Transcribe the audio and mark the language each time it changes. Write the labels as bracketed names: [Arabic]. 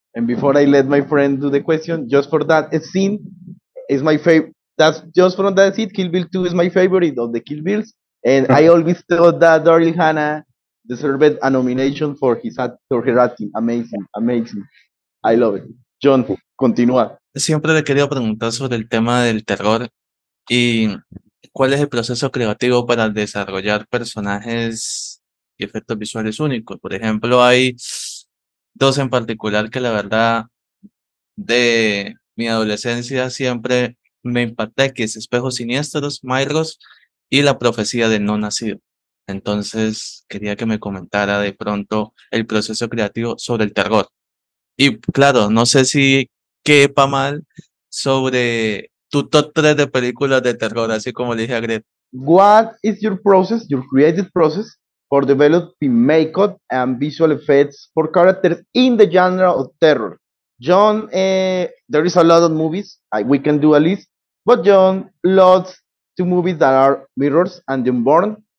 [English] And before I let my friend do the question, just for that scene is my favorite. That's just from that scene. Kill Bill 2 is my favorite of the Kill Bills. And I always thought that Daryl Hannah deserved a nomination for his actor, her acting. Amazing, amazing. I love it. Jhon, [Spanish] continúa. Siempre le quería preguntar sobre el tema del terror y cuál es el proceso creativo para desarrollar personajes y efectos visuales únicos. Por ejemplo, hay dos en particular que la verdad de mi adolescencia siempre me impacté, que es Espejos Siniestros, Myros y La Profecía del No Nacido. Entonces quería que me comentara de pronto el proceso creativo sobre el terror. Y claro, no sé si quepa mal sobre tu top 3 de películas de terror, así como le dije a Greta. [English] What is your process, your creative process, for developing makeup and visual effects for characters in the genre of terror? Jhon, there is a lot of movies, we can do a list, but Jhon loves two movies that are Mirrors and The Unborn.